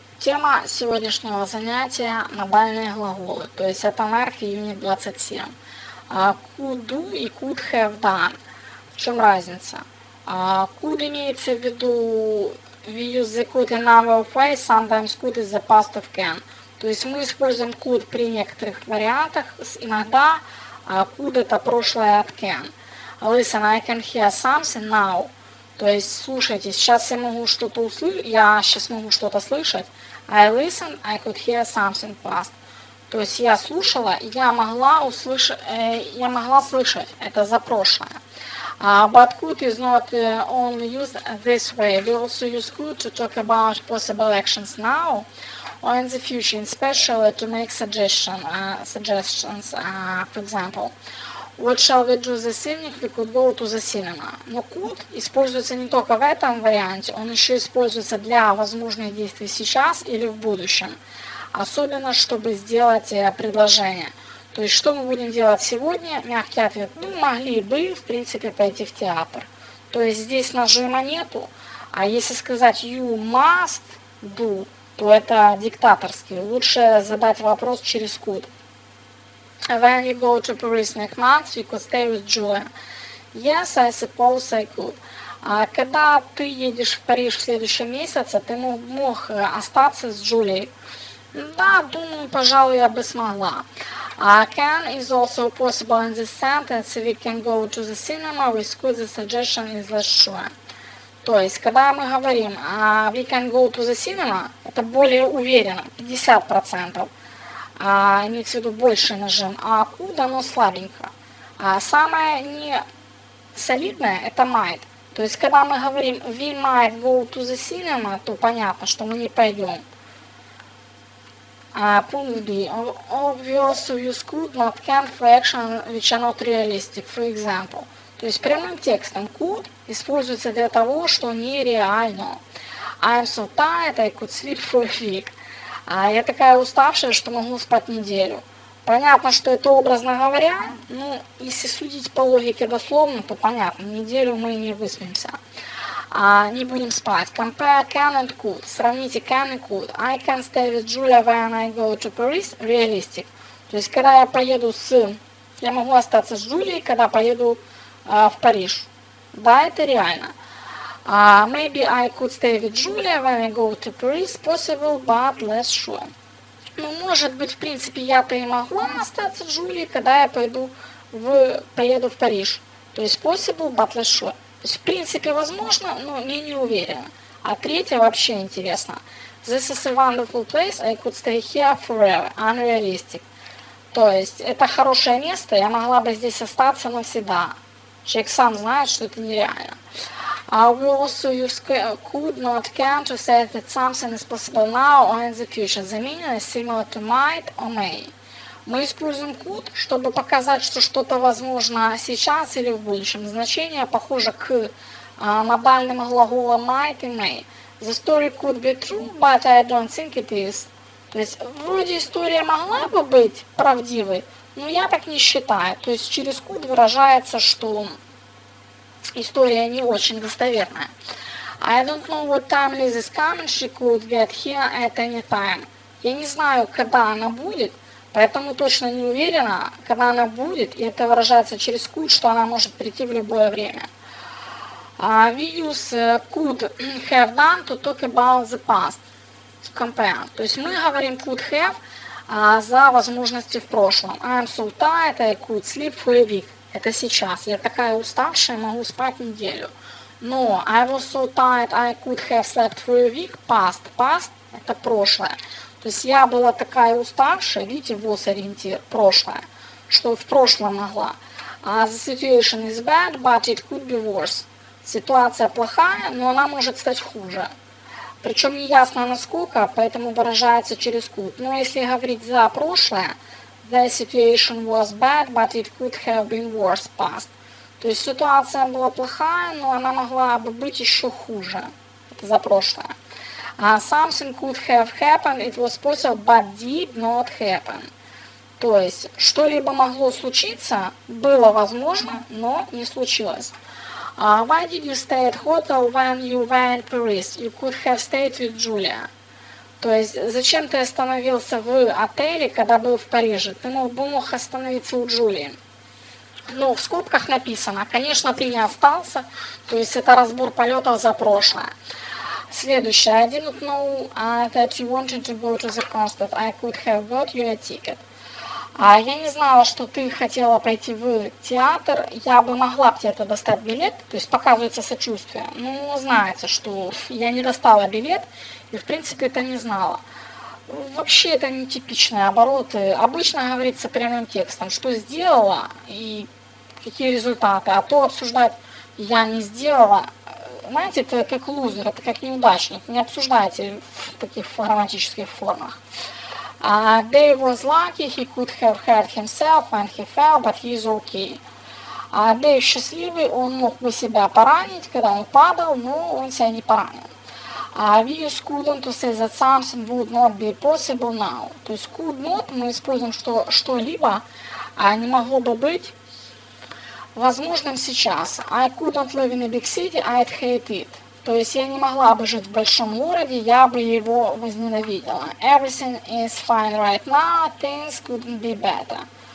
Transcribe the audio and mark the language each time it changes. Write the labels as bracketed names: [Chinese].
[Russian] Тема сегодняшнего занятия – набальные глаголы, то есть это verb июня 27. [English] Could do и could have done. [Russian] В чем разница? [English] Could [Russian] имеется в виду, [English] we use the could in our face, sometimes could is the past of can. [Russian] То есть мы используем could при некоторых вариантах, иногда could – это прошлое от can. [English] Listen, I can hear something now. [Russian] То есть, слушайте, сейчас я могу что-то услышать, я сейчас могу что-то слышать. [English] I listened, I could hear something past. [Russian] То есть, я слушала, я могла слышать, это за прошлое. [English] But could is not only used this way. We also use could to talk about possible actions now or in the future, especially to make suggestions, for example. What shall we do this evening? We could go to the cinema. [Russian] Но could используется не только в этом варианте, он еще используется для возможных действий сейчас или в будущем. Особенно, чтобы сделать предложение. То есть, что мы будем делать сегодня? Мягкий ответ. Мы могли бы, в принципе, пойти в театр. То есть, здесь нажима нету, а если сказать [English] you must do, [Russian] то это диктаторский. Лучше задать вопрос через could. [English] When you go to Paris next month, you could stay with Julia. Yes, I suppose I could. [Russian] Когда ты едешь в Париж в следующем месяце, ты мог остаться с Джулией? Да, думаю, пожалуй, я бы смогла. [English] Can is also possible in this sentence. We can go to the cinema with could. The suggestion is less sure. [Russian] То есть, когда мы говорим [English] we can go to the cinema, [Russian] это более уверенно, 50%. Имеется в виду больше нажим, а could, оно слабенько. Самое не солидное это might. То есть, когда мы говорим [English] we might go to the cinema, [Russian] то понятно, что мы не пойдем. Пункт B. We also use could, not can for action which are not realistic, for example. То есть, прямым текстом could используется для того, что нереально. I'm so tired, I could sleep for a week. Я такая уставшая, что могу спать неделю. Понятно, что это образно говоря, но если судить по логике дословно, то понятно, неделю мы не выспимся. Не будем спать. [English] Compare can and could. [Russian] Сравните can и could. [English] I can stay with Julia when I go to Paris. Realistic. [Russian] То есть, когда я поеду с... Я могу остаться с Джулией, когда поеду в Париж. Да, это реально. [English] Maybe I could stay with Julia when I go to Paris, possible, but less sure. [Russian] Ну, может быть, в принципе, я-то и могу остаться с Джулией, когда я поеду в Париж. То есть, [English] possible, but less sure. [Russian] То есть, в принципе, возможно, но я не уверена. А третье вообще интересно. [English] This is a wonderful place, I could stay here forever, unrealistic. [Russian] То есть, это хорошее место, я могла бы здесь остаться навсегда. Человек сам знает, что это нереально. [English] We also use could, not can, to say that something is possible now or in the future. The meaning is similar to might or may. [Russian] Мы используем could, чтобы показать, что что-то возможно сейчас или в будущем. Значение похоже к модальным глаголам might и may. [English] The story could be true, but I don't think it is. [Russian] То есть, вроде история могла бы быть правдивой, но я так не считаю. То есть, через could выражается, что... История не очень достоверная. [English] I don't know what time Liz is coming, she could get here at any time. [Russian] Я не знаю, когда она будет, поэтому точно не уверена, когда она будет, и это выражается через could, что она может прийти в любое время. [English] We use could have done to talk about the past, to compare. [Russian] То есть мы говорим could have за возможности в прошлом. [English] I'm so tired, I could sleep for a week. [Russian] Это сейчас. Я такая уставшая, могу спать неделю. Но [English] I was so tired, I could have slept for a week. Past. [Russian] Past – это прошлое. То есть я была такая уставшая, видите, was ориентир, прошлое, что в прошлое могла. [English] The situation is bad, but it could be worse. [Russian] Ситуация плохая, но она может стать хуже. Причем не ясно насколько, поэтому выражается через could. Но если говорить за прошлое, [English] the situation was bad, but it could have been worse past. [Russian] То есть ситуация была плохая, но она могла бы быть еще хуже. Это за прошлое. [English] Something could have happened, it was possible, but did not happen. [Russian] То есть что-либо могло случиться, было возможно, но не случилось. [English] Why did you stay at hotel when you were in Paris? You could have stayed with Julia. [Russian] То есть, зачем ты остановился в отеле, когда был в Париже? Ты мог остановиться у Джулии. Ну, в скобках написано, конечно, ты не остался, то есть это разбор полетов за прошлое. Следующее. [English] I didn't know that you wanted to go to the concert. I could have bought you a ticket. [Russian] Я не знала, что ты хотела пойти в театр. Я бы могла бы тебе достать билет, то есть показывается сочувствие. Ну, знается, что я не достала билет, и в принципе это не знала. Вообще это не типичные обороты. Обычно говорится прямым текстом, что сделала и какие результаты. А то обсуждать я не сделала. Знаете, это как лузер, это как неудачник. Не обсуждайте в таких грамматических формах. [English] Dave was lucky, he could have hurt himself when he fell, but he's okay. [Russian] Dave счастливый, он мог бы себя поранить, когда он падал, но он себя не поранил. [English] We use could on to say that something would not be possible now. [Russian] То есть could not мы используем, что что-либо не могло бы быть возможным сейчас. [English] I couldn't live in a big city, I'd hate it. [Russian] То есть я не могла бы жить в большом городе, я бы его возненавидела. [English] Everything is fine right now, things couldn't be better.